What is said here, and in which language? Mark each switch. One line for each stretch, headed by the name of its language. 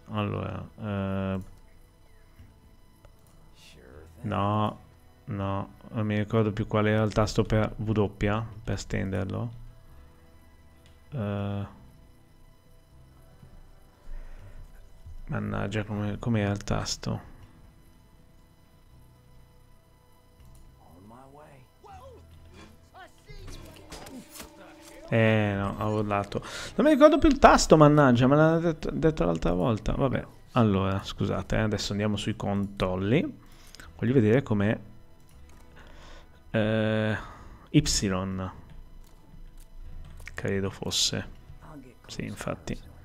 Italian: Allora, no, no, non mi ricordo più qual era il tasto per W, per stenderlo. Mannaggia, com'è il tasto?
English: On my way. Well, I see you again.
Italian: No, ho urlato. Non mi ricordo più il tasto, mannaggia, me l'ha detto l'altra volta. Vabbè, allora, scusate, adesso andiamo sui controlli. Voglio vedere com'è. Y. Credo fosse. Sì, infatti.